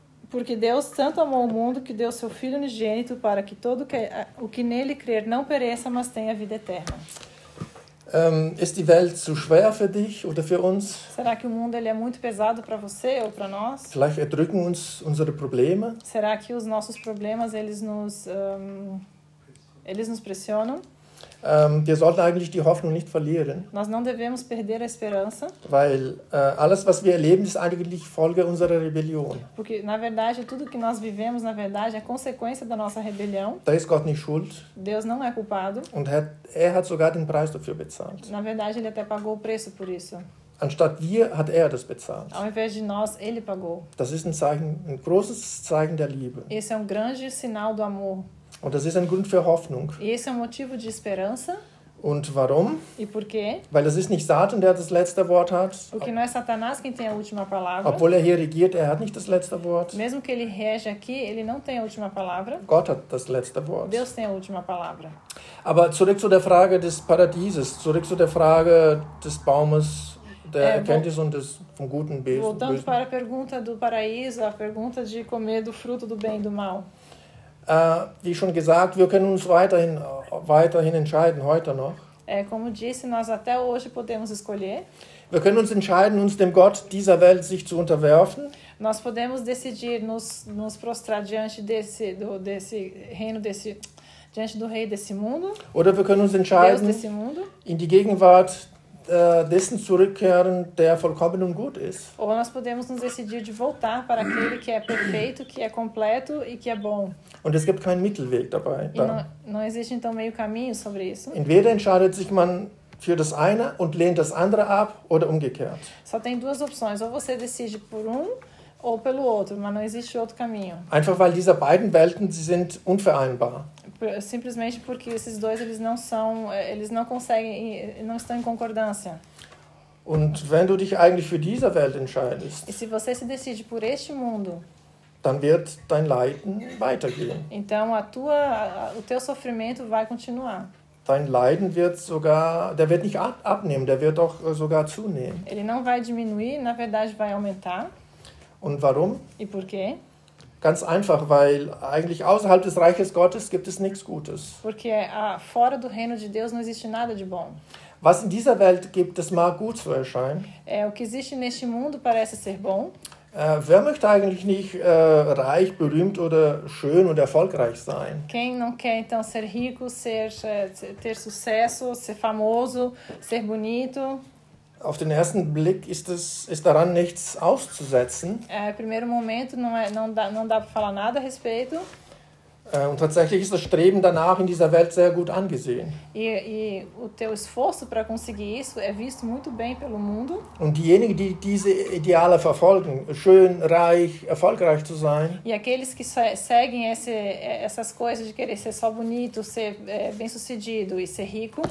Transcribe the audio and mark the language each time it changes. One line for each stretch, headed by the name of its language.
Portuguese: Porque Deus tanto amou o mundo que deu seu Filho unigênito para que todo o que nele crer não pereça, mas tenha vida eterna.
German: Ist die Welt zu schwer für dich oder für uns?
Portuguese: Será que o mundo ele é muito pesado para você ou para nós?
German: Vielleicht erdrücken uns unsere Probleme.
Portuguese: Será que os nossos problemas eles nos pressionam?
German: Wir sollten eigentlich die Hoffnung nicht verlieren.
Portuguese: Nós não devemos perder a esperança.
German: Weil alles, was wir erleben, ist eigentlich Folge unserer Rebellion.
Portuguese: Porque, na verdade, tudo que nós vivemos, na verdade, é consequência da nossa rebelião.
German: Da ist Gott nicht schuld.
Portuguese: Deus não é culpado.
German: Und er hat sogar den Preis dafür bezahlt.
Portuguese: Na verdade, ele até pagou o preço por isso.
German: Anstatt wir hat er das bezahlt.
Portuguese: Ao invés de nós, ele pagou.
German: Das ist ein großes Zeichen der Liebe.
Portuguese: Esse é grande sinal do amor.
German: Und das ist ein Grund für Hoffnung.
Portuguese: E esse é motivo de esperança.
German: Und warum?
Portuguese: E por quê?
German: Weil es ist nicht Satan, der das letzte Wort hat.
Portuguese: Porque não é Satanás quem tem a última palavra.
German: Obwohl er hier regiert, er hat nicht das letzte Wort.
Portuguese: Mesmo que ele rege aqui, ele não tem a última palavra.
German: Gott hat das letzte Wort.
Portuguese: Deus tem a última palavra.
German: Aber zurück zu der Frage des Paradieses, zurück zu der Frage des Baumes der Erkenntnis und des vom guten Bösen.
Portuguese: Voltando para a pergunta do paraíso, a pergunta de comer do fruto do bem e do mal.
German: Wie schon gesagt, wir können uns weiterhin entscheiden, heute noch.
Portuguese: Como disse, nós até hoje podemos escolher.
German: Wir können uns entscheiden, uns dem Gott dieser Welt sich zu unterwerfen.
Portuguese: Nós podemos decidir nos prostrar diante desse reino, diante do rei desse mundo.
German: Oder wir können uns entscheiden,
Portuguese: Deus desse mundo.
German: In die Gegenwart dessen zurückkehren, der vollkommen und gut ist.
Portuguese: Ou nós podemos nos decidir de voltar para aquele que é perfeito, que é completo e que é bom.
German: Und es gibt keinen Mittelweg dabei.
Portuguese: Não existe então meio caminho sobre isso.
German: Entweder entscheidet sich man für das eine und lehnt das andere ab oder umgekehrt.
Portuguese: Só tem duas opções, ou você decide por um ou pelo outro, mas não existe outro caminho.
German: Einfach weil diese beiden Welten, sie sind unvereinbar.
Portuguese: Simplesmente porque esses dois eles não estão em concordância.
German: Und wenn du dich eigentlich für diese Welt entscheidest,
Portuguese: e se você se decide por este mundo,
German: dann wird dein Leiden weitergehen.
Portuguese: Então o teu sofrimento vai continuar.
German: Dein Leiden wird sogar, der wird nicht abnehmen, der wird auch sogar zunehmen.
Portuguese: Ele não vai diminuir, na verdade vai aumentar.
German: Und warum?
Portuguese: E por quê?
German: Ganz einfach, weil eigentlich außerhalb des Reiches Gottes gibt es nichts Gutes.
Portuguese: Porque fora do reino de Deus não existe nada de bom.
German: Was in dieser Welt gibt, das mag gut zu erscheinen.
Portuguese: O que existe neste mundo parece ser bom.
German: Wer möchte eigentlich nicht reich, berühmt oder schön und erfolgreich sein?
Portuguese: Quem não quer então ser rico, ter sucesso, ser famoso, ser bonito?
German: Auf den ersten Blick ist daran nichts auszusetzen.
Portuguese: Primeiro momento não dá para falar nada a respeito.
German: Und tatsächlich ist das Streben danach in dieser Welt sehr gut angesehen.
Portuguese: E o teu esforço para conseguir isso é visto muito bem pelo mundo.
German: Und diejenigen, die diese Ideale verfolgen, schön, reich, erfolgreich zu sein.
Portuguese: E aqueles que seguem essas coisas de querer ser só bonito, ser bem-sucedido e ser rico.